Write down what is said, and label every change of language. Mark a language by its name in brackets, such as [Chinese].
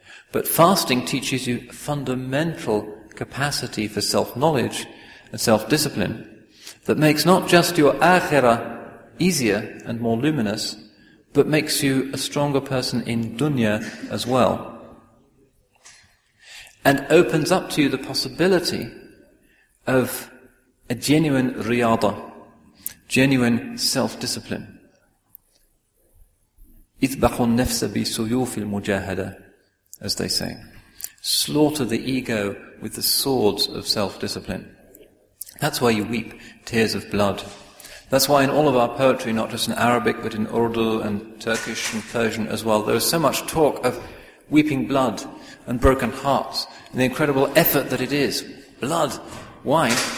[English] But fasting teaches you fundamental capacity for self-knowledge and self-discipline that makes not just your akhirah easier and more luminous, but makes you a stronger person in dunya as well. And opens up to you the possibility of a genuine riyadah, genuine self-discipline. [Arabic] اِذْبَحُ النَّفْسَ بِسُيُوفِ الْمُجَاهَدَةِ [English] As they say. Slaughter the ego with the swords of self-discipline. That's why you weep tears of blood. That's why in all of our poetry, not just in Arabic, but in Urdu and Turkish and Persian as well, there is so much talk of weeping blood and broken hearts and the incredible effort that it is. Blood. Why?